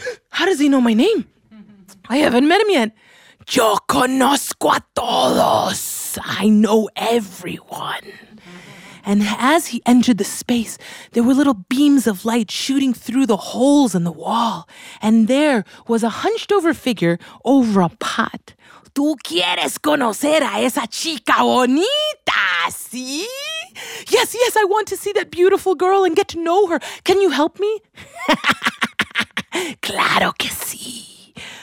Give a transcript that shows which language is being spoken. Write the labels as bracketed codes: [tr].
[en] How does he know my name? I haven't met him yet. [es] Yo conozco a todos. [en] I know everyone. And as he entered the space, there were little beams of light shooting through the holes in the wall. And there was a hunched over figure over a pot. [es] Tú quieres conocer a esa chica bonita, ¿sí? [en] Yes, yes, I want to see that beautiful girl and get to know her. Can you help me? [es] Claro que sí.